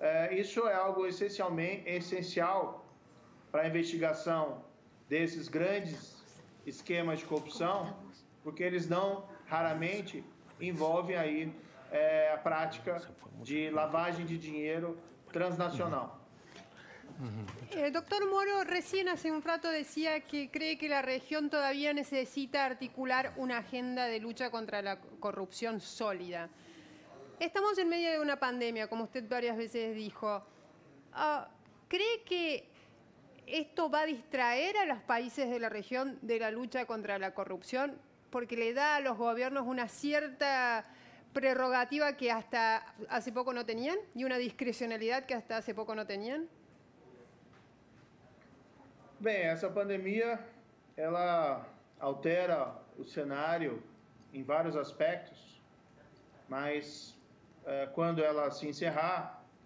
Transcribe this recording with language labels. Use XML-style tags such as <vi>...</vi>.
<pt>Isso é algo essencial para a investigação desses grandes esquemas de corrupção, porque eles não raramente envolvem aí a prática de lavagem de dinheiro transnacional.</pt> <es>Doctor Moro, recién hace un rato decía que cree que la región todavía necesita articular una agenda de lucha contra la corrupción sólida. Estamos en medio de una pandemia, como usted varias veces dijo. ¿Cree que esto va a distraer a los países de la región de la lucha contra la corrupción? Porque le da a los gobiernos una cierta prerrogativa que hasta hace poco no tenían y una discrecionalidad que hasta hace poco no tenían. Bien, esa pandemia, ella altera el escenario en varios aspectos,</es> <pt>mas quando ela se encerrar,</pt>